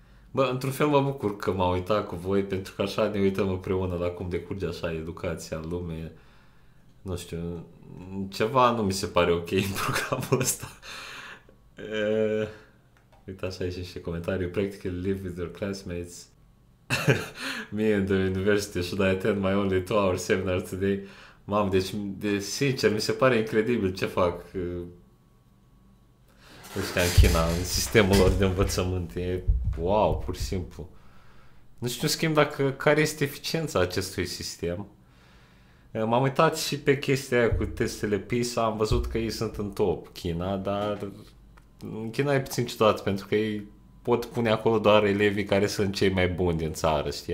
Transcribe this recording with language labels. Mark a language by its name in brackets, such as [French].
[Romanian] Bă, într-un fel mă bucur că m-am uitat cu voi, pentru că așa ne uităm împreună la cum decurge așa educația în lume. Nu știu, ceva nu mi se pare ok în programul ăsta. Uitați aici niște comentarii. [English] Practically live with your classmates. Me and the university, should I attend my only 2-hour seminar today? [Romanian] Mamă, deci, de sincer, mi se pare incredibil ce fac ăștia în China, în sistemul lor de învățământ. E wow, pur și simplu. Nu știu, în schimb, dacă care este eficiența acestui sistem. M-am uitat și pe chestia aia cu testele PISA, am văzut că ei sunt în top China, dar în China e puțin ciudat pentru că ei pot pune acolo doar elevii care sunt cei mai buni din țară, știi?